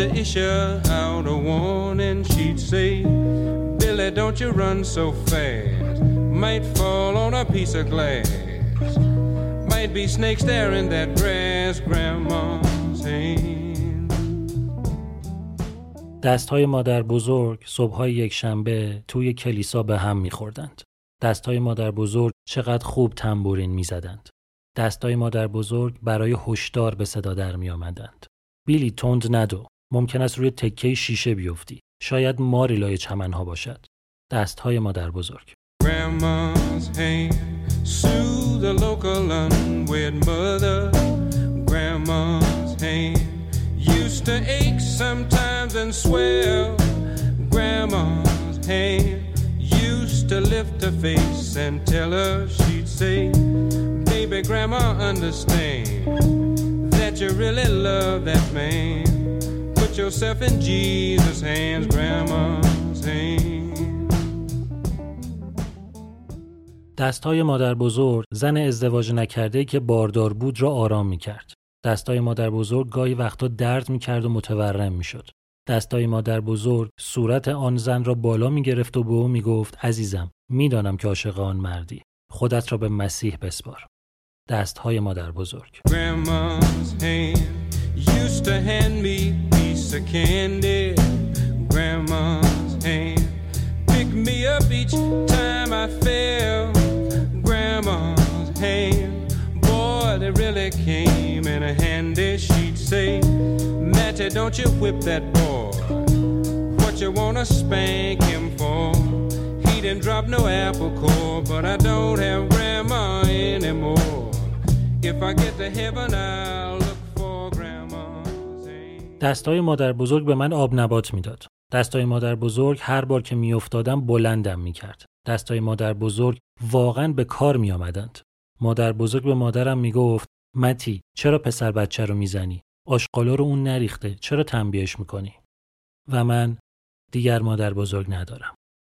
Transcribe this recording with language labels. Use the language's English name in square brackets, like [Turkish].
[English] teacher out a warning, she'd say, Billy, don't you run so fast, might fall on a piece of glass, might be snakes there in that grass, grandma's hand. [Persian] دست های مادر بزرگ صبح‌های یک شنبه توی کلیسا به هم می‌خوردند. دست های مادر بزرگ چقدر خوب تنبورین می زدند. دست های مادر بزرگ برای هشدار به صدا در می آمدند. بیلی توند ندو. ممکن است روی تکه شیشه بیفتی. شاید ماری لای چمنها باشد. دست های مادر بزرگ. [English] Grandma's hand soothed the local unwed mother. Grandma's hand used to ache sometimes and swell. Grandma's hand used to lift her face and tell her she'd say, Baby, Grandma, understand that you really love that man. Put yourself in Jesus' hands, Grandma's hand. [Persian] دستای مادر بزرگ زن ازدواج نکرده که باردار بود را آرام می کرد. دستای مادر بزرگ گاهی وقتا درد می کرد و متورم می شد. دستای مادر بزرگ صورت آن زن را بالا می گرفت و به او می گفت عزیزم می دانم که عاشق آن مردی خودت را به مسیح بسپار. دستای مادر بزرگ. [English] Grandma's hand used to hand me piece of candy. Grandma's hand pick me up each time I fell. Grandma's hand boy they really came in a handy she'd say Matty don't you whip that boy You wanna spank him for? He didn't drop no apple core, but I don't have grandma anymore. If I get to heaven, I'll look for grandma's hand. [Persian] دستای مادر بزرگ به من آب نبات میداد. دستای مادر بزرگ هر بار که میافتادم بلندم میکرد. دستای مادر بزرگ واقعا به کار میامدند. مادر بزرگ به مادرم میگفت: متی، چرا پسر بچه رو میزنی؟ آشغالا رو اون نریخته. چرا تنبیهش میکنی؟ و من دیگر مادر بزرگ ندارم.